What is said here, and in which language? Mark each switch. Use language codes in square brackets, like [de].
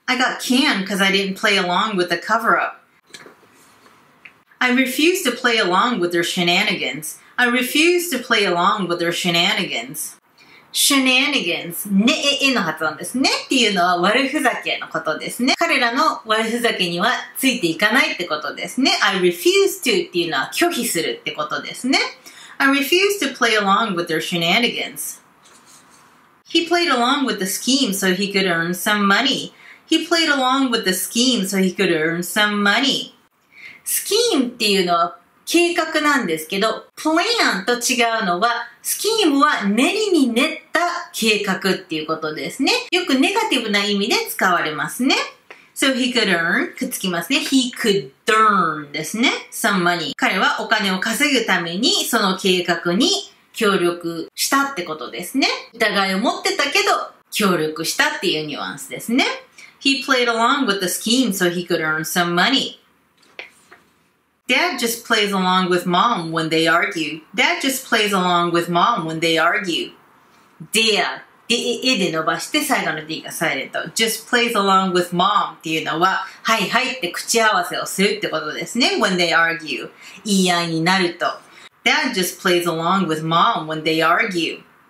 [en] I got canned because I didn't play along with the cover up.I refused to play along with their shenanigans.I refused to play along with their shenanigans. [ja] shenanigans, ねええの発音ですね。っていうのは悪ふざけのことですね。彼らの悪ふざけにはついていかないってことですね。 I refuse to っていうのは拒否するってことですね。 [en] I refuse to play along with their shenanigans. He played along with the scheme so he could earn some money. He played along with the scheme so he could earn some money. [ja] Scheme っていうのは計画なんですけど、plan と違うのは、scheme は練りに練った計画っていうことですね。よくネガティブな意味で使われますね。 [en] So he could earn, [ja] くっつきますね。 [en] He could earn [ja] ですね。 [en] Some money. [ja] 彼はお金を稼ぐためにその計画に協力したってことですね。疑いを持ってたけど協力したっていうニュアンスですね。 [en] He played along with the scheme so he could earn some money.Dad just plays along with mom when they argue.Dad just plays along with mom when they argue.Dear. [ja] Dで伸ばして最後の D がサイレント。 [en] Just plays along with mom [ja] っていうのは、はいはいって口合わせをするってことですね。 [en] When they argue. [ja] 言い合いになると。 [en] Dad just plays along with mom when they argue.